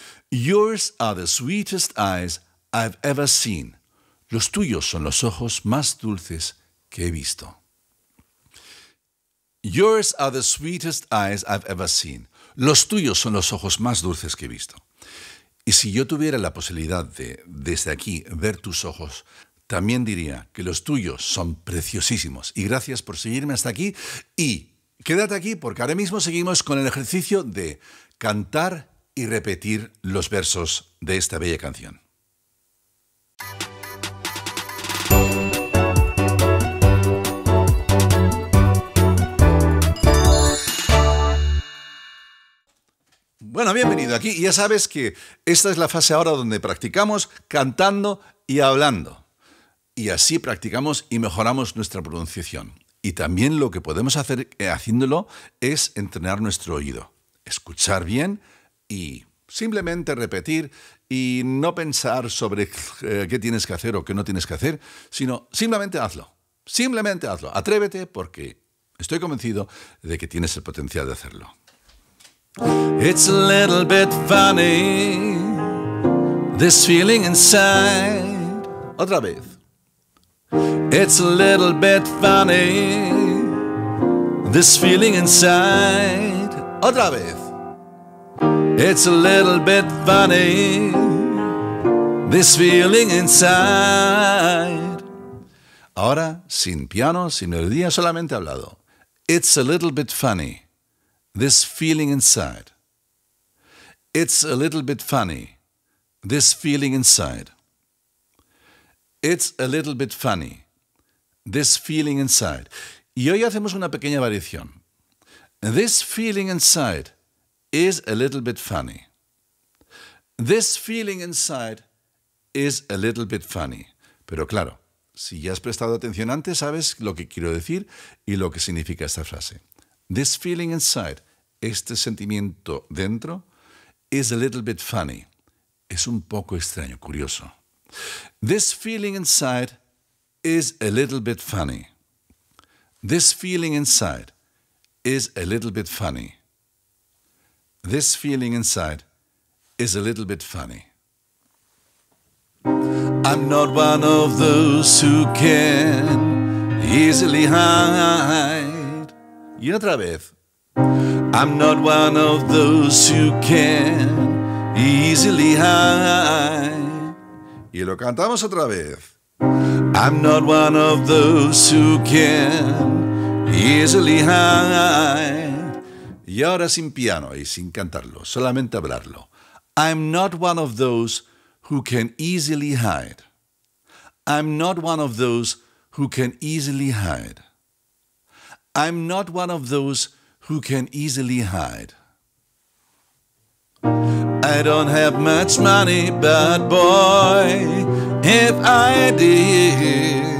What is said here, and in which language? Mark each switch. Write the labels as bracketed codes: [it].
[en] Yours are the sweetest eyes I've ever seen. [es] Los tuyos son los ojos más dulces que he visto. [en] Yours are the sweetest eyes I've ever seen. [es] Los tuyos son los ojos más dulces que he visto. Y si yo tuviera la posibilidad de, desde aquí, ver tus ojos, también diría que los tuyos son preciosísimos. Y gracias por seguirme hasta aquí. Y quédate aquí porque ahora mismo seguimos con el ejercicio de cantar y repetir los versos de esta bella canción. Bueno, bienvenido aquí. Ya sabes que esta es la fase ahora donde practicamos cantando y hablando. Y así practicamos y mejoramos nuestra pronunciación. Y también lo que podemos hacer haciéndolo es entrenar nuestro oído. Escuchar bien y simplemente repetir y no pensar sobre qué tienes que hacer o qué no tienes que hacer, sino simplemente hazlo. Simplemente hazlo. Atrévete porque estoy convencido de que tienes el potencial de hacerlo. [en] It's a little bit funny, this feeling inside. [es] Otra vez. [en] It's a little bit funny, this feeling inside. [es] Otra vez. [en] It's a little bit funny, this feeling inside. [es] Ahora, sin piano, sin melodía, solamente hablado. [en] It's a little bit funny, this feeling inside. It's a little bit funny, this feeling inside. It's a little bit funny, this feeling inside. [es] Y hoy hacemos una pequeña variación. [en] This feeling inside is a little bit funny. This feeling inside is a little bit funny. [es] Pero claro, Si ya has prestado atención antes, sabes lo que quiero decir y lo que significa esta frase. [en] This feeling inside, [es] este sentimiento dentro, [en] is a little bit funny. [es] Es un poco extraño, curioso. [en] This feeling inside is a little bit funny. This feeling inside is a little bit funny. This feeling inside is a little bit funny. I'm not one of those who can easily hide. [es] Y otra vez. [en] I'm not one of those who can easily hide. [es] Y lo cantamos otra vez. [en] I'm not one of those who can easily hide. [es] Y ahora sin piano y sin cantarlo, solamente hablarlo. [en] I'm not one of those who can easily hide. I'm not one of those who can easily hide. I'm not one of those who can easily hide. I don't have much money, but boy, if I did.